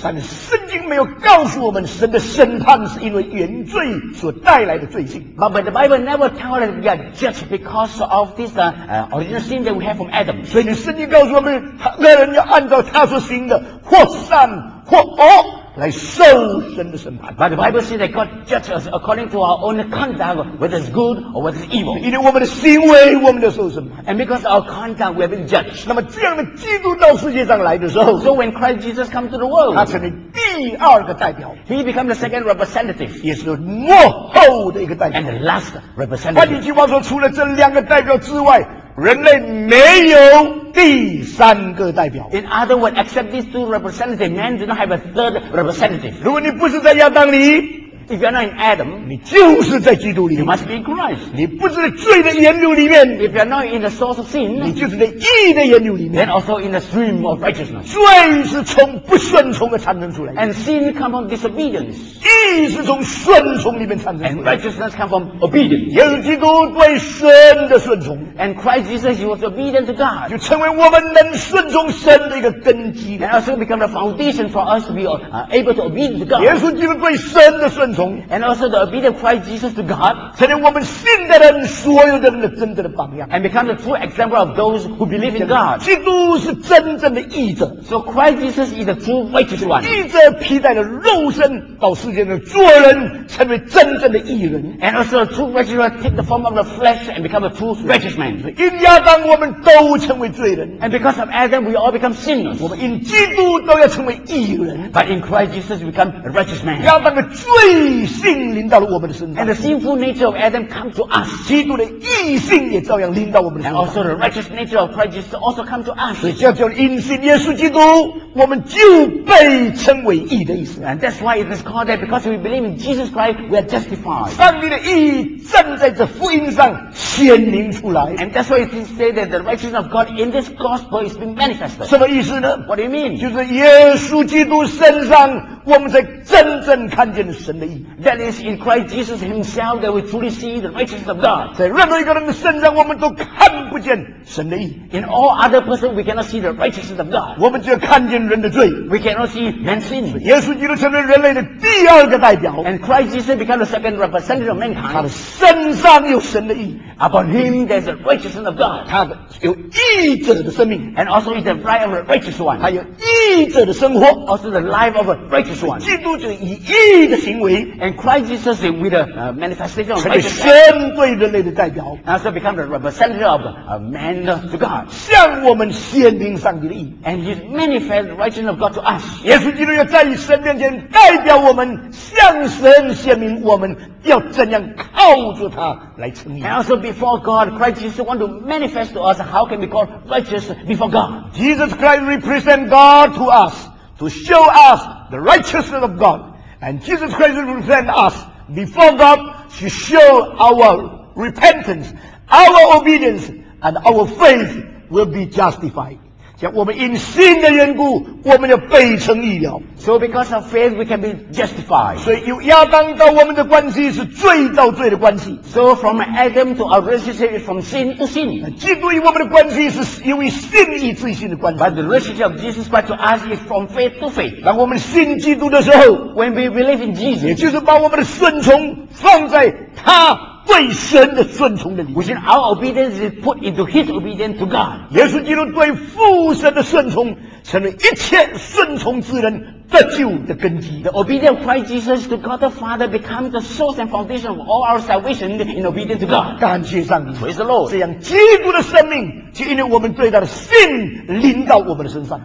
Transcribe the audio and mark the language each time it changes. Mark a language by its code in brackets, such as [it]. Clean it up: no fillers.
[zh] 但圣经没有告诉我们神的审判是因为原罪所带来的罪性。 [en] But the Bible never tell us we are judged because of this original sin that we have from Adam. [zh] 所以圣经告诉我们，那人要按照他所行的，或善或恶。来受神的审判。 [en] But the Bible says that God judges us according to our own conduct, whether it's good or whether it's evil. [zh] 因为我们的行为，我们就受审判。 [en] And because our conduct, we have been judged. [zh] 那么这样的基督到世界上来的时候 [en] ，So when Christ Jesus comes to the world, [zh] 他成为第二个代表。 [en] He becomes the second representative. [zh] 也是幕后的一个代表。 [en] And the last representative. [zh] 换句话说，除了这两个代表之外。人类没有第三个代表。 [en] In other words, except these two representatives, man do not have a third representative. [zh] 如果你不是在亚当里 [en] ，If you are not in Adam, [zh] 你就是在基督里。 [en] You must be in Christ. [zh] 你不是在罪的源流里面 [en] ，If you are not in the source of sin, [zh] 你就是在义的源流里面。 [en] And also in the stream of righteousness. [zh] 罪是从不顺从的产生出来的。 [en] And sin comes from disobedience. [zh] 义是从顺从里面产生 [en] ，and righteousness comes from obedience. [zh] 耶稣基督对神的顺从 [en] ，and Christ Jesus he was obedient to God. [zh] 就成为我们能顺从神的一个根基 [en] ，and also become the foundation for us to be able to obey to God. [zh] 耶稣基督对神的顺从 [en] ，and also the obedient Christ Jesus to God. [zh] 成为我们信的人所有的人的真正的榜样 [en] ，and become the true example of those who believe in God. [zh] 基督是真正的义者 [en] ，so Christ Jesus is the true righteous one. [zh] 义者披戴了肉身到世界。做人成为真正的义人 [en] and also true righteous take the form of the flesh and become a true righteous man. [zh] 因亚当我们都成为罪人 [en] and because of Adam we all become sinners. [zh] 我们因基督都要成为义人 [en] but in Christ Jesus we become a righteous man. [zh] 亚当的罪性临到了我们的身上。 [en] And the sinful nature of Adam come to us. [zh] 基督的义性也照样临到我们的身上。 [en] And also the righteous nature of Christ Jesus also come to us. [zh] 所以这叫因信耶稣基督，我们就被称为义的意思。 [en] And that's why it is called that because we believe in Jesus Christ, we are justified. [zh] 上帝的义正在这福音上显明出来。 [en] And that's why it is said that the righteousness of God in this gospel is being manifested. [zh] 什么意思呢？ [en] What do you mean? [zh] 就是耶稣基督身上我们在真正看见神的义。 [en] That is in Christ Jesus Himself that we truly see the righteousness of God. [zh] 在任何一个人的身上，我们都看不见神的义。 [en] In all other person, we cannot see the righteousness of God. [zh] 我们只看见人的罪。 [en] We cannot see man's sin. [zh] 耶稣基督成为人类的第二个代表。 [en] And Christ Jesus became the second representative of mankind. [zh] 他的身上有神的义。 [en] Upon Him, there's the righteousness of God. [zh] 他有义者的生命。 [en] And also is the life of a righteous one. [zh] 他有义者的生活。 [en] Also the life of a righteous one. [zh] 基督就以义的行为 [en] ，and Christ Jesus with a manifestation of righteousness, [zh] 成为神对人类的代表 [en] ，and so become the representative of a man to God, [zh] 向我们显明上帝的义 [en] ，and He manifests righteousness of God to us. [zh] 耶稣基督要在神面前代表我们，向神显明我们要怎样靠住他来称义。 [en] And also before God, Christ Jesus want to manifest to us how can we call righteous before God. Jesus Christ represent God to us to show us. The righteousness of God, and Jesus Christ will present us before God to show our repentance, our obedience, and our faith will be justified. [zh] 像我们因信的缘故，我们就被称义了。 [en] So because of faith, we can be justified. [zh] 所以亚当到我们的关系是罪到罪的关系。 [en] So from Adam to our relationship is from sin to sin. [zh] 基督与我们的关系是因为信义罪性的关系。 [en] But the relationship of Jesus Christ to us is from faith to faith. [zh] 当我们信基督的时候 [en] ，when we believe in Jesus， [zh] 也就是把我们的顺从放在他。对神的顺从的里面 [en] Our obedience is put into His obedience to God. [zh] 耶稣基督对父神的顺从成了一切顺从之人得救的根基 [en] The obedience of Christ Jesus to God the Father becomes the source and foundation of all our salvation in obedience to God. [zh] 感谢上帝 [en] Praise the Lord. [zh] 这样基督的生命就因为我们对他的信临到我们的身上